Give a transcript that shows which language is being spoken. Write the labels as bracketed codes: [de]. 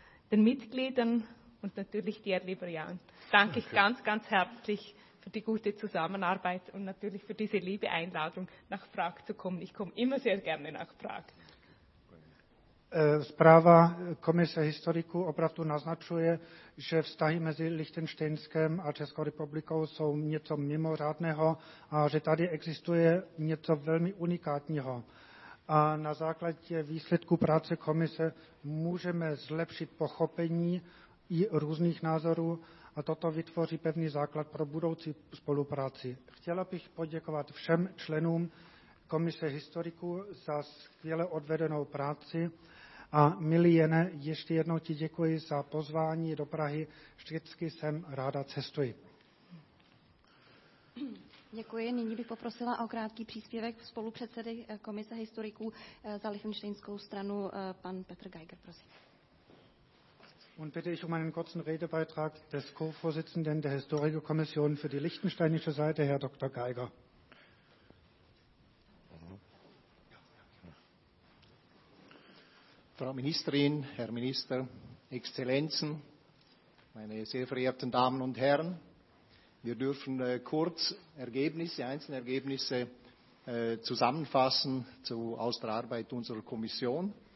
[de] Den Mitgliedern und natürlich dir, lieber Jan, danke ich ganz, ganz herzlich für die gute Zusammenarbeit und natürlich für diese liebe Einladung, nach Prag zu kommen. Ich komme immer sehr gerne nach Prag. [cs] Zpráva Komise historiků opravdu naznačuje, že vztahy mezi Lichtenštejnskem a Českou republikou jsou něco mimořádného a že tady existuje něco velmi unikátního. A na základě výsledků práce komise můžeme zlepšit pochopení i různých názorů a toto vytvoří pevný základ pro budoucí spolupráci. Chtěla bych poděkovat všem členům Komise historiků za skvěle odvedenou práci. A milý Jene, ještě jednou ti děkuji za pozvání do Prahy. Vždycky jsem ráda cestuji. Děkuji. Nyní bych poprosila o krátký příspěvek spolupředsedy Komise historiků za Lichtensteinskou stranu, pan Petr Geiger, prosím. [de] Und bitte ich um einen kurzen Redebeitrag des Co-Vorsitzenden der Historikerkommission für die Lichtensteinische Seite, Herr Dr. Geiger. Frau Ministerin, Herr Minister, Exzellenzen, meine sehr verehrten Damen und Herren, wir dürfen kurz Ergebnisse, einzelne Ergebnisse zusammenfassen aus der Arbeit unserer Kommission.